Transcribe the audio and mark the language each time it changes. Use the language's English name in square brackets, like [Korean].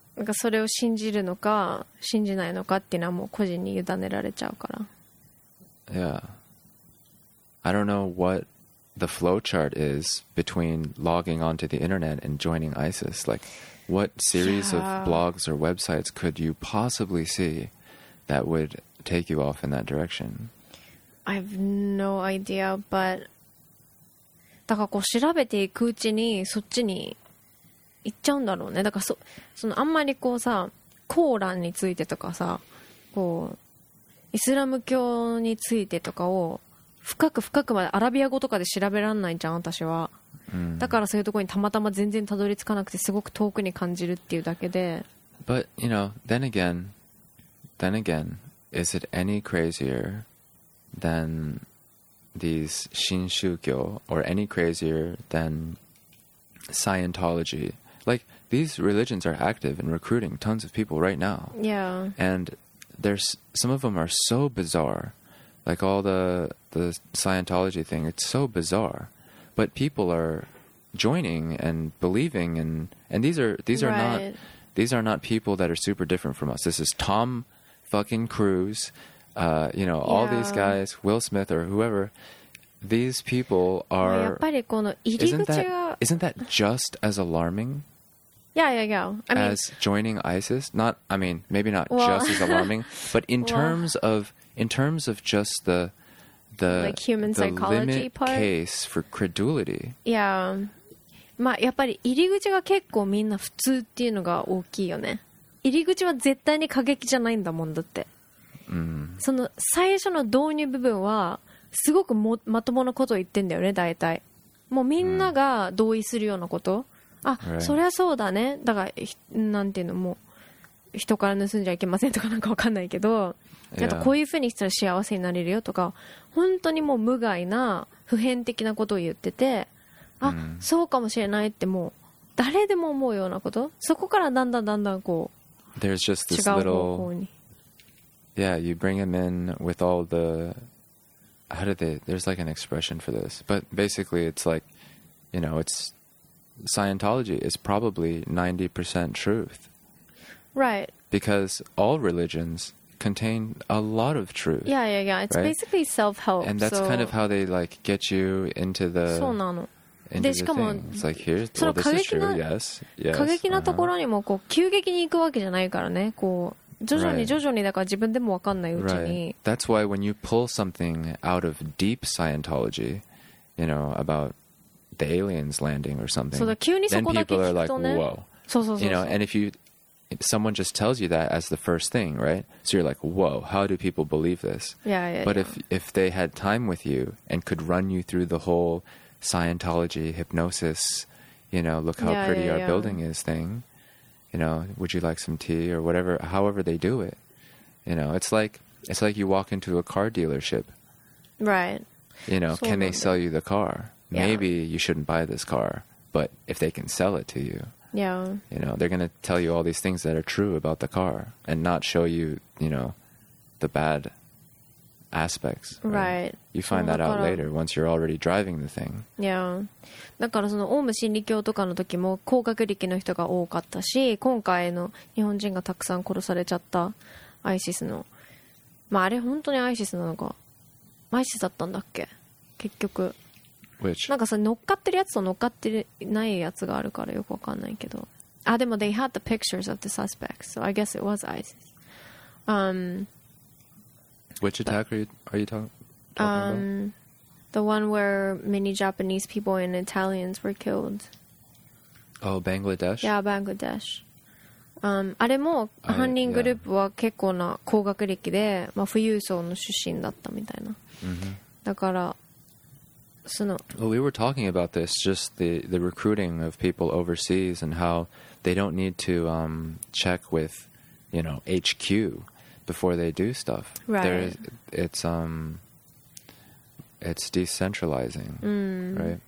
[Japanese] なんかそれを信じるのか信じないのかっていうのはもう個人に委ねられちゃうから。 [English] Yeah. I don't know what the flow chart is between logging onto the internet and joining ISIS. Like, what series of blogs or websites could you possibly see that would take you off in that direction? I have no idea, but... [Japanese] だからこう調べていくうちにそっちに行っちゃうんだろうね。だから そのあんまりこうさ、コーランについてとかさ、こうイスラム教についてとかを深く深くまでアラビア語とかで調べらんないじゃん私は、うん、だからそういうところにたまたま全然たどり着かなくてすごく遠くに感じるっていうだけで。 [English] But you know, then again is it any crazier than these 新宗教 or any crazier than Scientology? Like, these religions are active in recruiting tons of people right now. Yeah. And there's some of them are so bizarre. Like, all the Scientology thing, it's so bizarre. But people are joining and believing, and these are not, these are not people that are super different from us. This is Tom fucking Cruise, you know, all these guys, Will Smith or whoever. These people are... [Japanese] やっぱりこの入り口が... [English] isn't that just as alarming? Yeah. I mean, as joining ISIS? Not, I mean, maybe not just as alarming, but in terms of just the like human the psychology limit part? Case for credulity. Yeah. [Japanese] まあやっぱり入り口が結構みんな普通っていうのが大きいよね。入り口は絶対に過激じゃないんだもんだって。 Mm. その最初の導入部分はすごくまともなことを言ってんだよね、大体。もうみんなが同意するようなこと。 Mm. あ、 [English] right. [Japanese] そりゃそうだね。だから、なんていうの、もう、人から盗んじゃいけませんとかなんかわかんないけど、 [English] yeah. [Japanese] あとこういうふうにしたら幸せになれるよとか、本当にもう無害な、普遍的なことを言ってて、あ、mm. そうかもしれないってもう、誰でも思うようなこと。そこからだんだんこう、 [English] There's just this [Japanese] 違う方向に。 [English] Little... Yeah, you bring him in with all the... How did they? There's like an expression for this, but basically, it's like, you know, it's Scientology is probably 90% truth, right? Because all religions contain a lot of truth. Yeah. It's right? basically self-help, and that's so... kind of how they like get you into the. [Japanese] そうなの。でしかも、 [English] it's like here, well, this is true. Yes, yes. [Japanese] 過激なところにもこう急激に行くわけじゃないからね。こう。徐々にだから自分でも分かんないうちに。 [English] Right. That's why when you pull something out of deep Scientology, you know, about the aliens landing or something, [Japanese] そうだ、急にそこだけ [English] then people [Japanese] 聞くとね、 [English] are like, whoa. [Japanese] そう。 [English] You know, and if someone just tells you that as the first thing, right? So you're like, whoa, how do people believe this? Yeah. But if they had time with you and could run you through the whole Scientology hypnosis, you know, look how pretty our building is thing. You know, would you like some tea or whatever, however they do it. You know, it's like you walk into a car dealership. Right. You know, can they sell you the car? Maybe you shouldn't buy this car, but if they can sell it to you, you know, they're going to tell you all these things that are true about the car and not show you, you know, the bad aspects. Right. You find that out later once you're already driving the thing. Yeah. [Japanese] だからそのオウム真理教とかの時も高学歴の人が多かったし、今回の日本人がたくさん殺されちゃったISISの、まああれ本当にISISなのか、ISISだったんだっけ結局。 [English] Which? [Japanese] なんかさ乗っかってるやつと乗っかってないやつがあるからよくわかんないけど。あでも [English] they had the pictures of the suspects, so I guess it was ISIS. Which attack are you talking about? The one where many Japanese people and Italians were killed. Oh, Bangladesh? Yeah, Bangladesh. [Japanese] あれも犯人グループは結構な高学歴で、まあ、富裕層の出身だったみたいな。 Mm-hmm. だから、その… [English] Well, we were talking about this, just the recruiting of people overseas and how they don't need to check with, you know, HQ. Before they do stuff, right. there is, it's decentralizing, right?